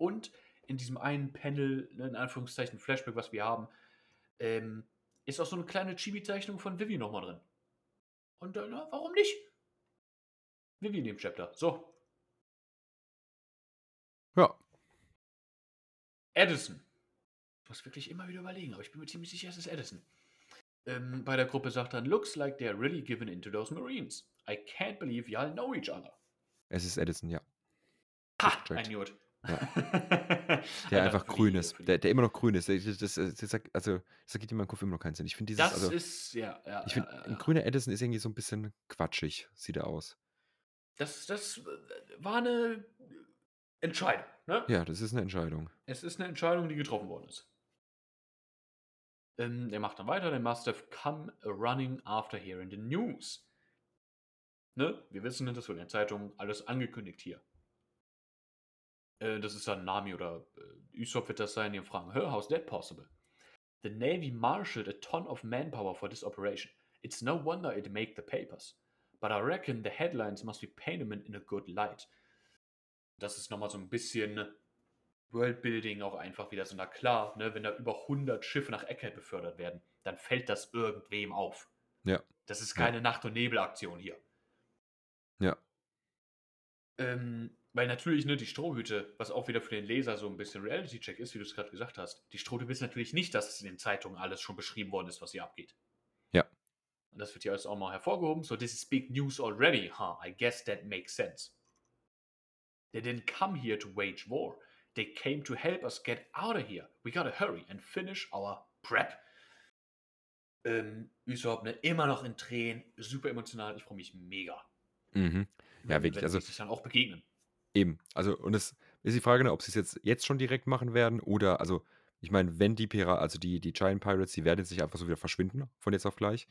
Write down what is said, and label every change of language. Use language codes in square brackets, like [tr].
[de] Und in diesem einen Panel, in Anführungszeichen Flashback, was wir haben, ist auch so eine kleine Chibi-Zeichnung von Vivi nochmal drin. Und dann, warum nicht? Vivi in dem Chapter, so. Ja. Edison. Ich muss wirklich immer wieder überlegen, aber ich bin mir ziemlich sicher, es ist Edison. Bei der Gruppe sagt dann, looks like they're really given into those Marines. [en] I can't believe y'all know each other. [de] Es ist Edison, ja. Ha, ein Jod. Ja. Der also einfach grün ist, der immer noch grün ist. Das geht in meinem Kopf immer noch keinen Sinn. Ich finde dieses. Ein grüner Edison ist irgendwie so ein bisschen quatschig, sieht er aus. Das war eine Entscheidung, ne? Ja, das ist eine Entscheidung. Es ist eine Entscheidung, die getroffen worden ist. Der macht dann weiter. They must have come running after hearing the news. Ne? Wir wissen, das wird in der Zeitung alles angekündigt hier. Das ist dann Nami oder Usopp wird das sein, die fragen, how's that possible? [en] The Navy marshaled a ton of manpower for this operation. It's no wonder it made the papers. But I reckon the headlines must be painted them in a good light. [de] Das ist nochmal so ein bisschen Worldbuilding auch einfach wieder so. Na klar, ne, wenn da über 100 Schiffe nach Ecke befördert werden, dann fällt das irgendwem auf. Ja. Das ist keine Nacht- und Nebel-Aktion hier. Ja. Weil natürlich, ne, die Strohhüte, was auch wieder für den Leser so ein bisschen Reality-Check ist, wie du es gerade gesagt hast, die Strohhüte wissen natürlich nicht, dass es in den Zeitungen alles schon beschrieben worden ist, was hier abgeht. Ja. Und das wird hier alles auch mal hervorgehoben. So, this is big news already, huh? [en] I guess that makes sense. They didn't come here to wage war. They came to help us get out of here. We gotta hurry and finish our prep. [de] Usopp, ne, immer noch in Tränen, super emotional. Ich freue mich mega. Mhm. Ja, wirklich. Also sich dann auch begegnen. Eben, also und es ist die Frage, ob sie es jetzt schon direkt machen werden oder, also ich meine, wenn die Pirat, also die Giant Pirates, die werden jetzt nicht einfach so wieder verschwinden, von jetzt auf gleich.